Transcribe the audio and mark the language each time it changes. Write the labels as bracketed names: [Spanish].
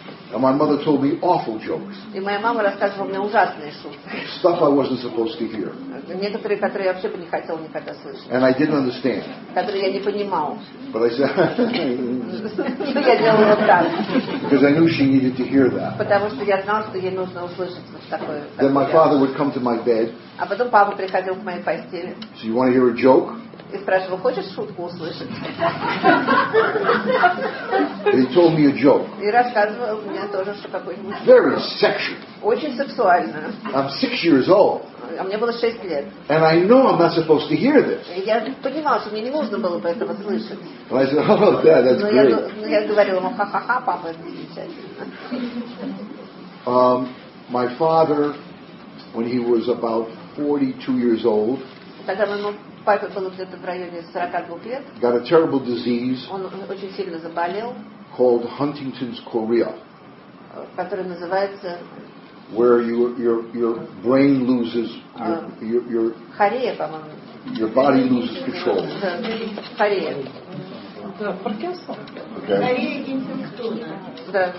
[English] And my mother told me awful jokes. [Russian] И моя мама рассказывала мне ужасные шутки. [English] Stuff I wasn't supposed to hear. [Russian] Некоторые, которые я вообще бы не хотел никогда слышать. [English] And I didn't understand. [Russian] Которые я не понимал. [English] But I said. [Russian] Я делала вот так. [English] Because I knew she needed to hear that. [Russian] Потому что я знал, что ей нужно услышать вот такое. [English] Then my father would come to my bed. [Russian] А потом папа приходил к моей постели. [English] So you want to hear a joke? [Russian] И спрашивал, хочешь шутку услышать? [English] He told me a joke. [Russian] И рассказывал мне тоже, что какой-нибудь. [English] Very sexual. [Russian] Очень сексуально. [English] I'm 6 years old. [Russian] А мне было 6 лет. [English] And I know I'm not supposed to hear this. [Russian] Я понимала, что мне не нужно было бы этого слышать. [English] But I said, oh, Dad, that's great. [Russian] Я говорила ему, ха-ха-ха, папа, это замечательно. [English] My father, when he was about 42 years old, [Russian] когда моему папе было где-то в районе 42 лет, [English] got a terrible disease, [Russian] он очень сильно заболел, [English] called Huntington's chorea, [Russian] который называется, [English] where your brain loses your [Russian] хорея, по-моему. [English] Your body loses control. [Russian] Хорея. [English] Okay.